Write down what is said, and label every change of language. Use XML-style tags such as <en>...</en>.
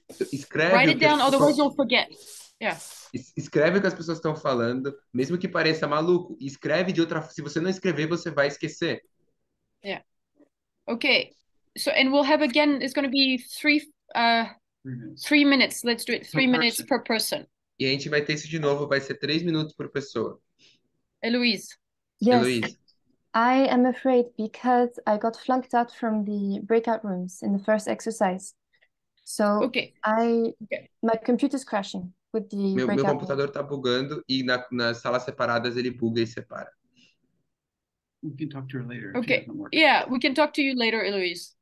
<pt>Escreve</pt> <en>write it down, otherwise you'll forget. Yeah.</en> <pt>Escreve o que as pessoas estão falando, mesmo que pareça maluco. Escreve de outra forma. Se você não escrever, você vai esquecer.</pt> <en>Yeah. Okay. So, and we'll have again, it's going to be three minutes. Let's do it. Three per minutes person. Per person.</en> <pt>E a gente vai ter isso de novo. Vai ser 3 minutos por pessoa.</pt> <en>Eloise. Yes. Eloise. I am afraid because I got flunked out from the breakout rooms in the first exercise. So okay. My computer's crashing with the breakout.</en> <pt>Meu computador tá bugando e nas salas separadas ele buga e separa.</pt> <en>We can talk to her later. Okay. Yeah, we can talk to you later, Eloise.</en>